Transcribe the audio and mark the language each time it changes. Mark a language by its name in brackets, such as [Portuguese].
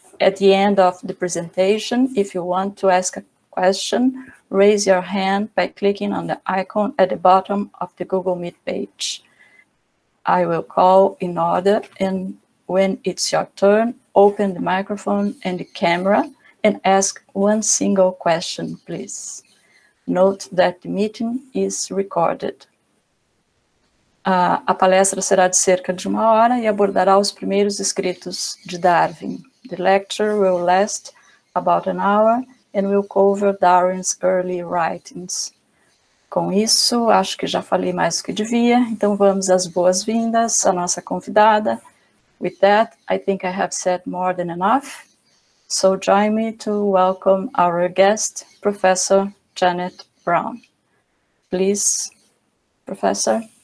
[English] At the end of the presentation, if you want to ask a question, raise your hand by clicking on the icon at the bottom of the Google Meet page. I will call in order, and when it's your turn, open the microphone and the camera and ask one single question, please. Note that the meeting is recorded. [Portuguese] A palestra será de cerca de uma hora e abordará os primeiros escritos de Darwin. [English] The lecture will last about an hour and will cover Darwin's early writings. [Portuguese] Com isso, acho que já falei mais do que devia, então vamos às boas-vindas à nossa convidada. [English] With that, I think I have said more than enough. So join me to welcome our guest, Professor Janet Browne. Please, Professor.